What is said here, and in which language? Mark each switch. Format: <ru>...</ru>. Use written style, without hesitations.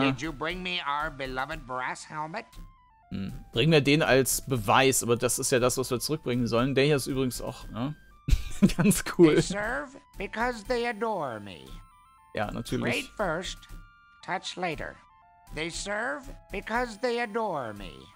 <en>Did you bring me our beloved brass helmet?</en> <de>Bring mir den als Beweis. Aber das ist ja das, was wir zurückbringen sollen. Der hier ist übrigens auch... Ne? Ganz cool.</de> <en>They serve because they adore me.</en> <de>Ja, natürlich.</de> <en>Trade first, touch later. They serve because they adore me.</en>